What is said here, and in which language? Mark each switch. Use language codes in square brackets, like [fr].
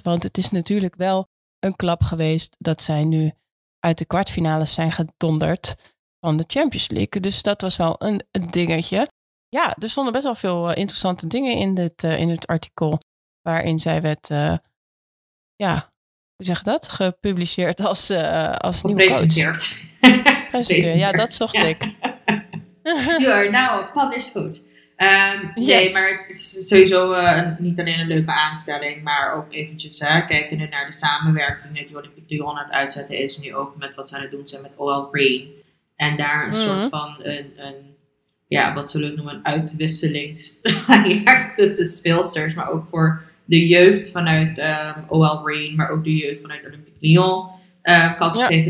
[nl] Want het is natuurlijk wel een klap geweest dat zij nu uit de kwartfinales zijn gedonderd van de Champions League. Dus dat was wel een dingetje. Ja, er stonden best wel veel interessante dingen in het artikel waarin zij werd, ja, hoe zeg je dat, gepubliceerd als, als nieuwe coach. Gepresenteerd. Ja, dat zocht ja. ik. [en] You are now a published coach. [nl] Yes. Nee, maar het is sowieso niet alleen een leuke aanstelling, maar ook eventjes kijken naar de samenwerking die Olympique Lyon aan het uitzetten is, nu ook met wat ze aan het doen zijn met OL Green. En daar een soort van een ja, wat zullen we noemen, een uitwisselingstraject tussen speelsters, maar ook voor de jeugd vanuit OL Green, maar ook de jeugd vanuit Olympique Lyon. Kansgeven.